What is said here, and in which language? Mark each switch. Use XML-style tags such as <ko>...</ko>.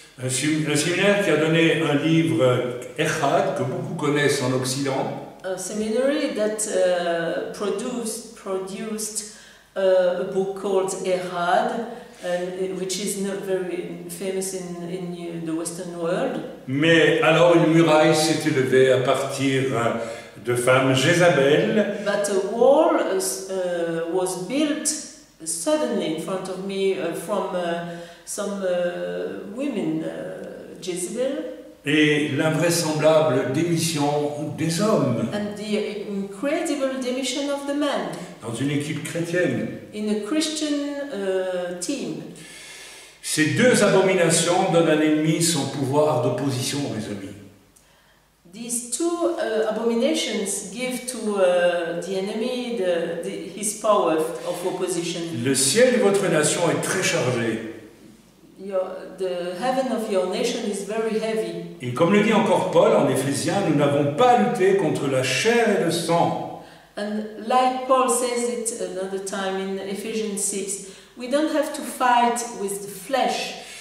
<fr>Un séminaire qui a donné un livre Echad que beaucoup connaissent en Occident.</fr> <en>A seminary that produced a book called Echad, which is not very famous in the Western world.</en> <fr>Mais alors une muraille s'est élevée à partir de femme Jézabel.</fr> <en>But a wall was built. Suddenly, in front of me, from some women, Jezebel.</en> <fr>Et l'invraisemblable démission des hommes.</fr> <en>And the incredible démission of the men.</en> <fr>Dans une équipe chrétienne.</fr> <en>In a Christian team.</en> <fr>Ces deux abominations donnent à l'ennemi son pouvoir d'opposition, mes amis.</fr> <en>These two abominations give to the enemy his power of opposition.</en> <fr>Le ciel de votre nation est très chargé.</fr> <en>The heaven of your nation is very heavy.</en> <fr>Et comme le dit encore Paul en Éphésiens, nous n'avons pas lutté contre la chair et le sang.</fr> <en>And like Paul says it another time in Ephesians 6, we don't have to fight with the flesh.</en>